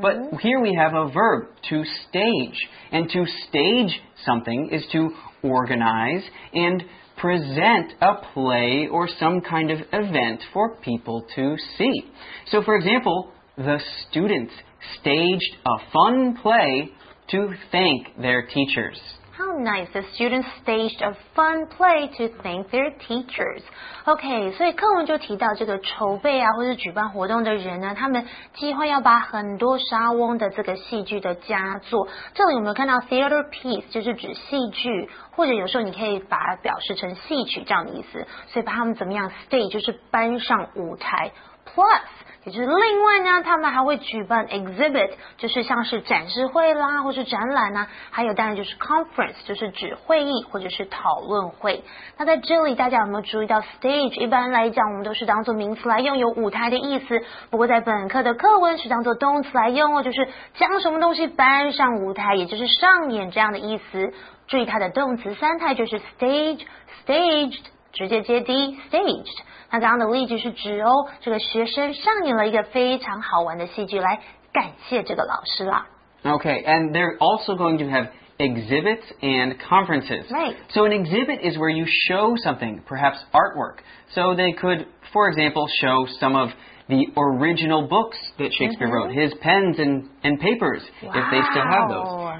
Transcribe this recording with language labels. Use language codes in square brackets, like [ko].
[en] But here we have a verb, to stage. And to stage something is to organize and present a play or some kind of event for people to see. So, for example, the students staged a fun play to thank their teachers. How nice. The students staged a fun play to thank their teachers. [zh] OK, 所以课文就提到这个筹备啊或是举办活动的人呢，他们计划要把很多莎翁的这个戏剧的佳作。这里有没有看到 theater piece, 就是指戏剧，或者有时候你可以把它表示成戏曲这样的意思。所以把他们怎么样 stage, 就是搬上舞台。Plus, 也就是另外呢，他们还会举办 exhibit, 就是像是展示会啦，或是展览啦，还有当然就是 conference, 就是指会议或者是讨论会。那在这里大家有没有注意到 stage, 一般来讲我们都是当作名词来用，有舞台的意思，不过在本课的课文是当作动词来用哦，就是将什么东西搬上舞台，也就是上演这样的意思。注意它的动词三态就是 stage, staged, 直接接 D, staged。那刚刚的例句是指哦，这个学生上演了一个非常好玩的戏剧来感谢这个老师啦。 [en] Okay, and they're also going to have exhibits and conferences. Right. So an exhibit is where you show something, perhaps artwork. So they could, for example, show some of the original books that Shakespeare wrote, his pens and papers, if they still have those.